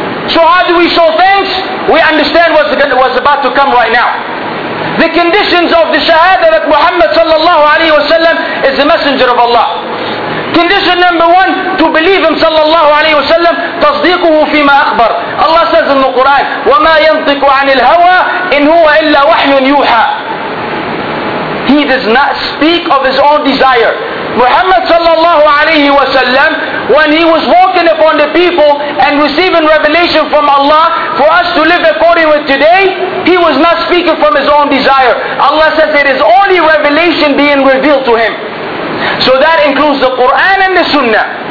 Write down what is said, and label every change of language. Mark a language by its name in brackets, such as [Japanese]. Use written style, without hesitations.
[English] So how do we show thanks? We understand what's about to come right now. The conditions of the shahada that Muhammad sallallahu alayhi wa sallam is the messenger of Allah. Condition number one, to believe him sallallahu alayhi wa sallam, [Arabic] tasdiquhu fima akbar. [English] Allah says in the Quran, [Arabic] وَمَا يَنْطِقُ عَنِ الْهَوَىٰ إِنْ هُوَ إِلَّا وَحْيٌ يُوحَىٰ. [English] He does not speak of his own desire. Muhammad sallallahu alayhi wa sallam, when he was walking upon the people and receiving revelation from Allah for us to live according with today, he was not speaking from his own desire. Allah says it is only revelation being revealed to him. So that includes the Quran and the Sunnah.